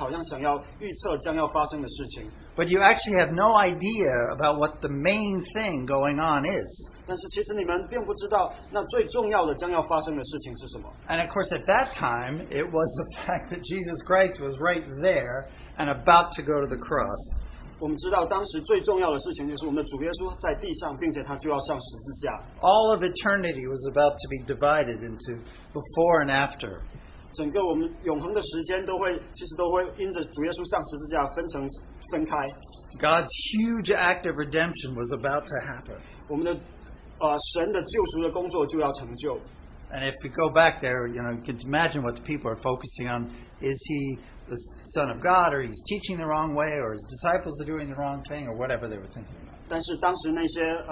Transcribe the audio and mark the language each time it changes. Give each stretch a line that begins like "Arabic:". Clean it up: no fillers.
Chinese: 这里是我们的主耶稣向那些法利赛人，也向那些群众讲到说，你们看这个看那个，好像想要预测将要发生的事情。
English: But you actually have no idea about what the main thing going on is.
Chinese: 但是其实你们并不知道那最重要的将要发生的事情是什么。
English: And of course, at that time, it was the fact that Jesus Christ was right there and about to go to the cross.
Chinese: 我们知道当时最重要的事情就是我们的主耶稣在地上，并且他就要上十字架。
English: All of eternity was about to be divided into before and after.
Chinese: 整个我们永恒的时间都会，其实都会因着主耶稣上十字架分成分开。
English: God's huge act of redemption was about to happen.
Chinese: 我们的神的救赎的工作就要成就。
English: And if you go back there, you know, you can imagine what the people are focusing on. Is he the Son of God, or he's teaching the wrong way, or his disciples are doing the wrong thing, or whatever they were thinking about.